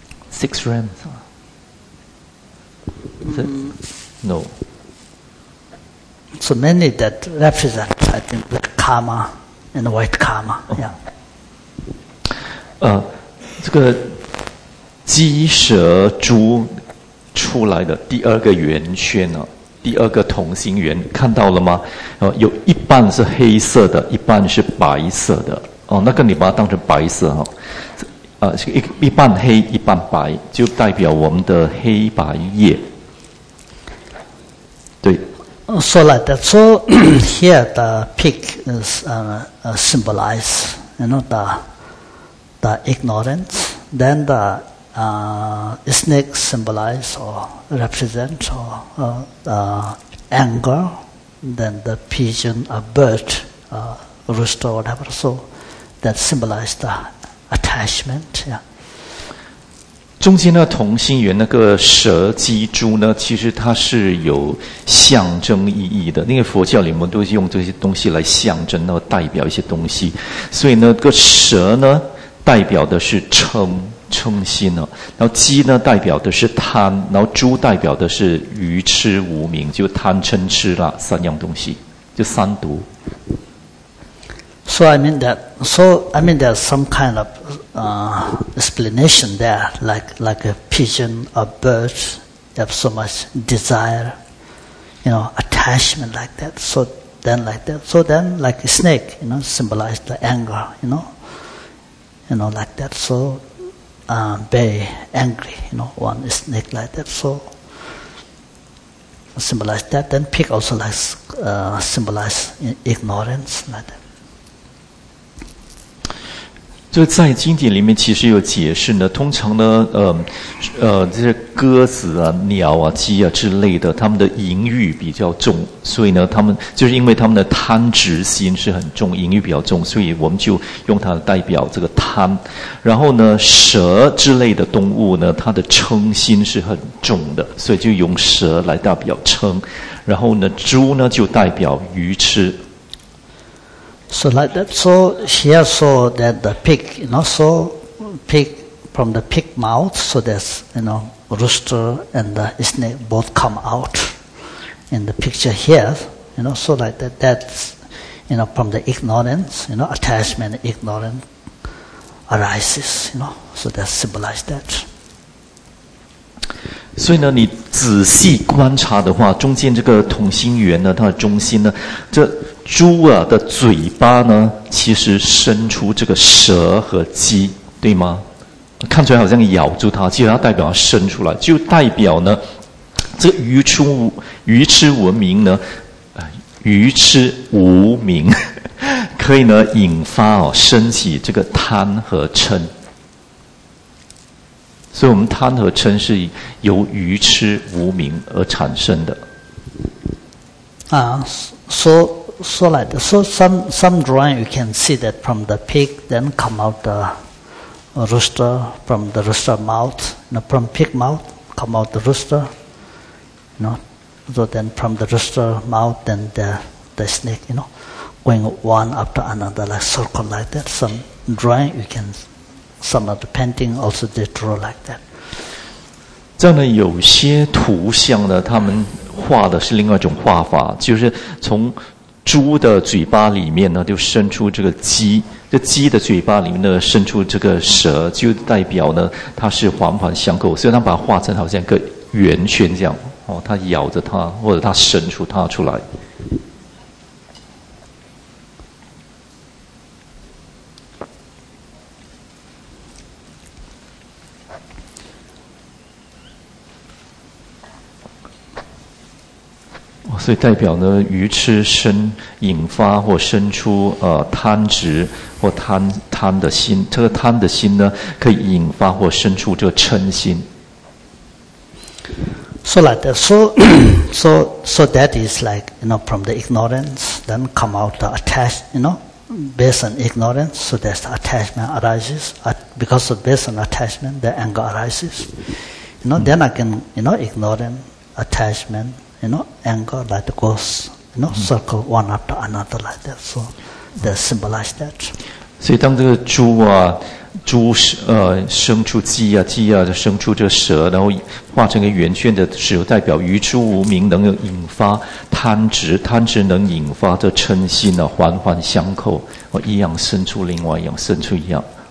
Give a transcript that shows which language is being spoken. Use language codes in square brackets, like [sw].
[en] six realms. No. So many that represent, I think, the karma and the white karma. Yeah. [zh] 这个鸡蛇猪出来的第二个圆圈啊。第二个同心圆看到了吗？有一半是黑色的，一半是白色的。哦，那个你把它当成白色哈、哦，一半黑，一半白，就代表我们的黑白业。对。 [en] So like that. So here the pig is symbolize, you know, the ignorance. Then the snake symbolize or represent or anger, then the pigeon, a bird, a rooster, or whatever. So that symbolize the attachment. Yeah. [zh] 中间的同心圆那个蛇、鸡、猪呢，其实它是有象征意义的。那个佛教里面都是用这些东西来象征，然后代表一些东西。所以呢，个蛇呢，代表的是称。称心哦，然后鸡呢代表的是贪，然后猪代表的是愚痴无明，就贪嗔痴啦，三样东西，就三毒。 [en] So I mean that some kind of explanation there, like a pigeon, a bird, have so much desire, you know, attachment like that. So then like that. So then like a snake, you know, symbolize the anger, you know, like that. So. Very angry, you know, one snake like that. So, symbolize that. Then pig also likes, symbolize ignorance like that. [zh] 就在经典里面其实有解释呢，通常呢，这些鸽子啊、鸟啊、鸡啊之类的，他们的淫欲比较重，所以呢，他们就是因为他们的贪执心是很重，淫欲比较重，所以我们就用它来代表这个贪。然后呢，蛇之类的动物呢，它的嗔心是很重的，所以就用蛇来代表嗔。然后呢，猪呢就代表愚痴。 [en] So like that. So here, so that the pig, you know, so pig from the pig mouth, so there's, you know, rooster and the snake both come out in the picture here, you know, so like that. That's, you know, from the ignorance, you know, attachment, ignorance arises, you know, so that symbolizes that. [zh] 所以呢，你仔细观察的话，中间这个同心圆呢，它的中心呢，这猪啊的嘴巴呢，其实伸出这个蛇和鸡，对吗？看出来好像咬住它，其实它代表它伸出来，就代表呢，这愚痴无明呢，愚痴无明，可以呢引发哦升起这个贪和嗔。所以我们贪和嗔是由愚痴无明而产生的。 [en] 啊， [zh] 说来的 [en] ，so some drawing you can see that from the pig then come out the rooster, from the rooster mouth, you know, from pig mouth come out the rooster, you know, so then from the rooster mouth then the snake, you know, going one after another like circle like that. Some drawing you can. Some of the painting also they draw like that. [zh] 这样呢，有些图像呢，他们画的是另外一种画法，就是从猪的嘴巴里面呢，就伸出这个鸡，这鸡的嘴巴里面呢，伸出这个蛇，就代表呢，它是环环相扣，所以他们把它画成好像一个圆圈这样，哦，它咬着它，或者它伸出它出来。所以代表呢，愚痴生引发或生出贪执或贪的心，这个贪的心呢，可以引发或生出这个嗔心。 [en] So like that, so that is like you know from the ignorance, then come out the attached, you know, based on ignorance, so that's the attachment arises. Because of based on attachment, the anger arises. You know, then again, you know, ignoring attachment. You know, anger like the ghost, you know, circle one after another like that. So, they symbolize that. [zh] 所以当这个猪啊，猪生出鸡啊，鸡啊就生出这个蛇，然后化成一个圆圈的时候，代表愚痴无明能够引发贪执，贪执能引发这嗔心啊，环环相扣，一样生出另外一样，生出一样。